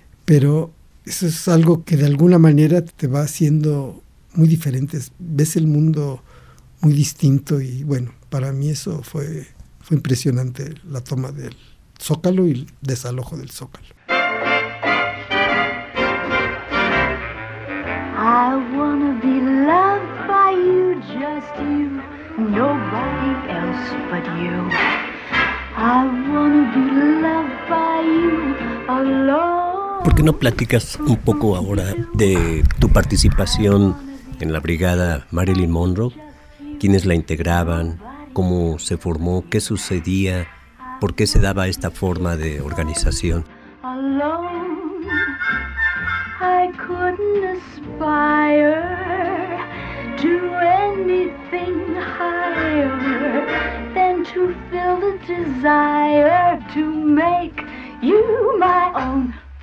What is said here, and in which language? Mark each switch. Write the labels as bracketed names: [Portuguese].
[Spanish] Pero eso es algo que de alguna manera te va haciendo muy diferente, ves el mundo muy distinto y, bueno, para mí eso fue impresionante, la toma del Zócalo y el desalojo del Zócalo. [English] I wanna be loved by you, just you, nobody else but you. I wanna be loved by you alone. [Spanish] ¿Por qué no platicas un poco ahora de tu participación en la brigada Marilyn Monroe? ¿Quiénes la integraban? ¿Cómo se formó? ¿Qué sucedía? ¿Por qué se daba esta forma de organización? [English] Alone, I couldn't aspire to anything higher than to feel the desire to make you my own.